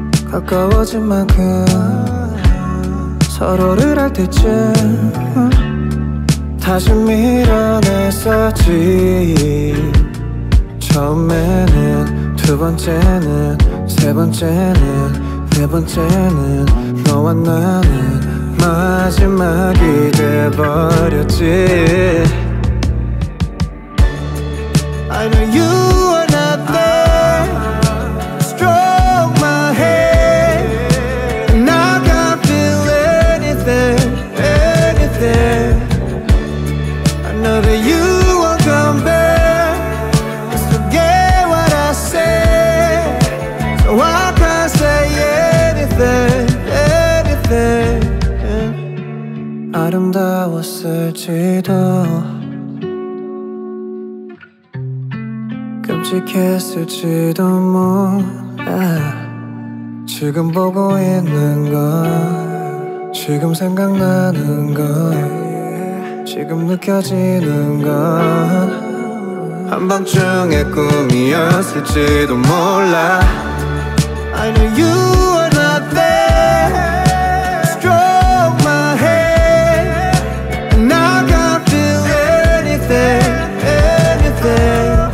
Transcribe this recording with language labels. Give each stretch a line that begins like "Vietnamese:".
Korean: 가까워진 만큼 서로를 알 때쯤 다시 밀어냈었지 처음에는 두 번째는 세 번째는 네 번째는 너와 나는 마지막이 돼버렸지
English: I know you are not there Stroke my head And I can't feel anything, anything I know that you won't come back Just forget what I said So I can't say anything, anything
Korean: 아름다웠을지도 깜찍했을지도 몰라 지금 보고 있는 걸 지금 생각나는 걸 지금 느껴지는 걸 한밤중의 꿈이었을지도 몰라
English: I know you are not there Stroke my head And I can't feel anything, anything